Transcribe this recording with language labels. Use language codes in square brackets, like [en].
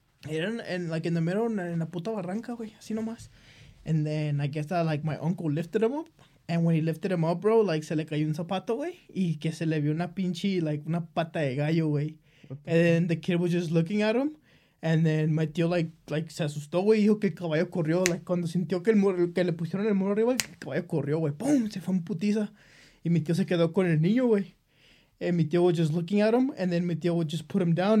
[en] And like in the middle, in la puta barranca, güey, así nomás. And then I guess that like my uncle lifted him up. [es] And when he lifted him up, bro, like, se le cayó un zapato, güey. Y que se le vio una pinche, like, una pata de gallo, güey. [en] And then the kid was just looking at him. [es] And then my tío, like se asustó, güey. Dijo que el caballo corrió. Like, cuando sintió que, el mur, que le pusieron el muro arriba, el caballo corrió, güey. ¡Pum! Se fue en putiza. Y mi tío se quedó con el niño, güey. [en] And my tío was just looking at him. And then my tío would just put him down.